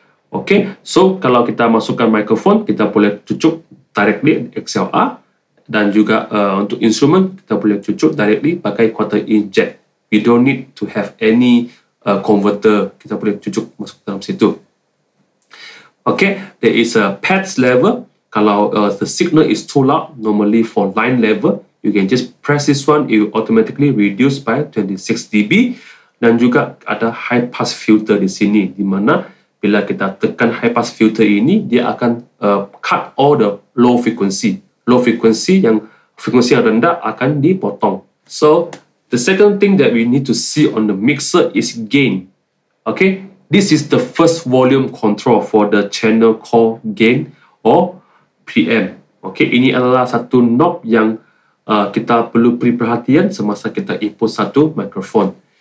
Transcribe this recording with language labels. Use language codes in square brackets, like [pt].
[ms] Okay, so kalau kita masukkan microphone, kita boleh cucuk directly XLR, dan juga untuk instrument, kita boleh cucuk directly pakai quarter inch jack. [en] We don't need to have any converter. [ms] Kita boleh cucuk masuk dalam situ. [en] Okay, there is a pads level. Kalau the signal is too loud, normally for line level, you can just press this one, it will automatically reduce by 26 dB. [ms] Dan juga ada high pass filter di sini, di mana bila kita tekan high pass filter ini, dia akan [en] cut all the low frequency. [ms] Low frequency yang frekuensi yang rendah akan dipotong. [en] So, the second thing that we need to see on the mixer is gain. Okay, this is the first volume control for the channel called gain or PM. [ms] Okay, ini adalah satu knob yang kita perlu beri perhatian semasa kita input satu microphone.